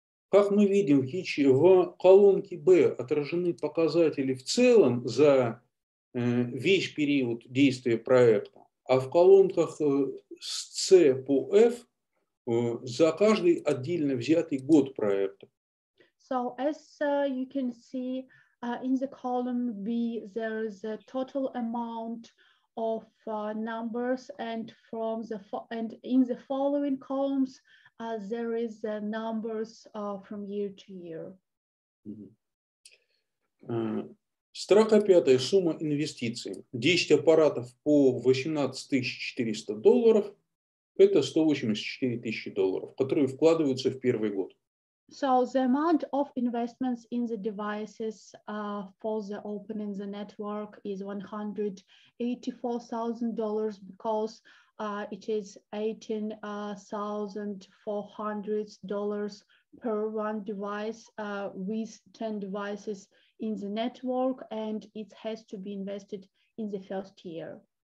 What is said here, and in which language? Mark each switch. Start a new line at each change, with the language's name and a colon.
Russian: Как мы видим, Хичи, в колонке Б отражены показатели в целом за весь период действия проекта, а в колонках с C по F за каждый отдельно взятый год проекта.
English: So as you can see in the column B, there is a total amount of numbers, and from the and in the following columns there is the numbers from year to year.
Russian: Строка пятая. Сумма инвестиций. 10 аппаратов по 18400 долларов. Это 184 тысячи долларов, которые вкладываются в первый год.
English: So the amount of investments in the devices for the opening the network is $184,000 because it is $18,400 per one device with 10 devices in the network, and it has to be invested in the first year.